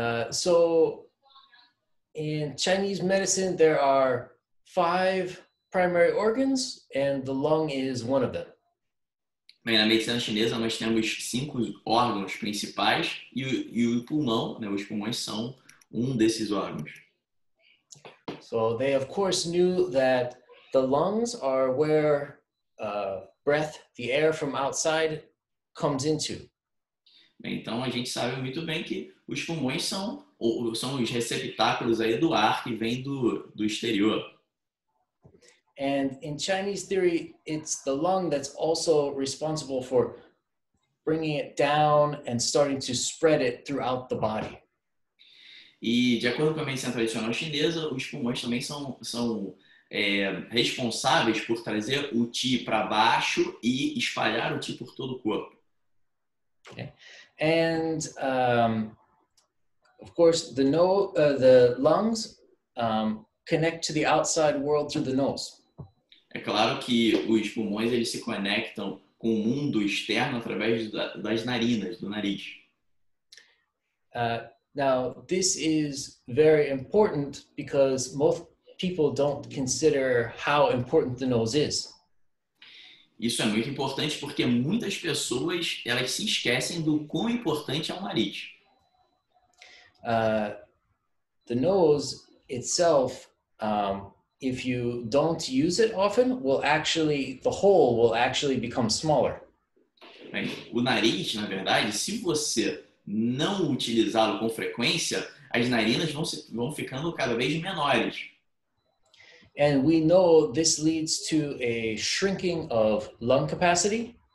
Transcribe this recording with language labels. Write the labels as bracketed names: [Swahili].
[English] So in Chinese medicine there are 5 primary organs and the lung is one of them. [Portuguese] Bem, na medicina chinesa nós temos 5 órgãos principais e o pulmão, né, os pulmões são um desses órgãos. [English] So they of course knew that the lungs are where breath, the air from outside, comes into. [Portuguese] Bem, então a gente sabe muito bem que os pulmões são os receptáculos aí do ar que vem do exterior. [English] And in Chinese theory, it's the lung that's also responsible for bringing it down and starting to spread it throughout the body. [Portuguese] E de acordo com a medicina tradicional chinesa, os pulmões também são responsáveis por trazer o qi para baixo e espalhar o qi por todo o corpo. [English] Okay. And of course, the lungs connect to the outside world through the nose. [Portuguese] É claro que os pulmões eles se conectam com o mundo externo através das narinas, do nariz. [English] Now, this is very important because people don't consider how important the nose is. [Portuguese] Isso é muito importante porque muitas pessoas, elas se esquecem do quão importante é o nariz. [English] The nose itself, if you don't use it often, will actually, the hole will actually become smaller. [Portuguese] O nariz, na verdade, se você não utilizá-lo com frequência, as narinas vão ficando cada vez menores. [English] And we know this leads to a shrinking of lung capacity.